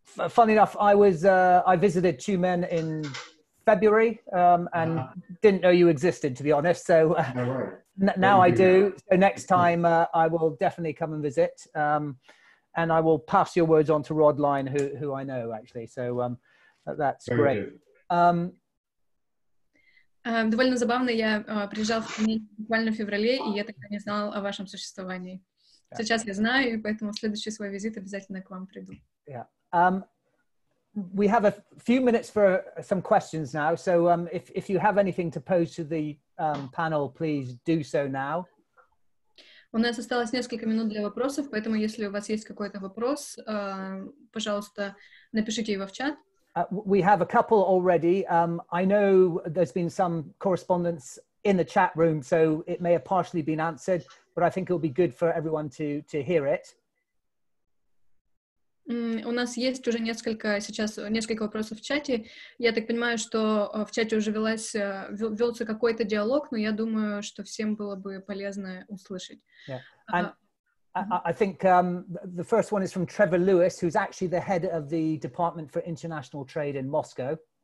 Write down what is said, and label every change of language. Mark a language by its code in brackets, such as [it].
[en] Funny enough, I visited Tumen in February and didn't know you existed, to be honest. So now I do. So next time I will definitely come and visit. And I will pass your words on to Rod Line, who I know actually. So that's very great. [ru] Довольно забавно, я приезжал в Тюмень буквально в феврале, и я тогда не знал о вашем существовании. Сейчас я знаю, и поэтому в следующий свой визит обязательно к вам приду. [en] We have a few minutes for some questions now, so if you have anything to pose to the panel, please do so now. [ru] У нас осталось несколько минут для вопросов, поэтому если у вас есть какой-то вопрос, пожалуйста, напишите его в чат. [en] We have a couple already. I know there's been some correspondence in the chat room, so it may have partially been answered, but I think it'll be good for everyone to hear it. [ru] У нас есть уже несколько вопросов в чате. Я так понимаю, что в чате уже велся какой-то диалог, но я думаю, что всем было бы полезно услышать. [en] Yeah. And I think the first one is from Trevor Lewis, who's actually the head of the Department for International Trade in Moscow.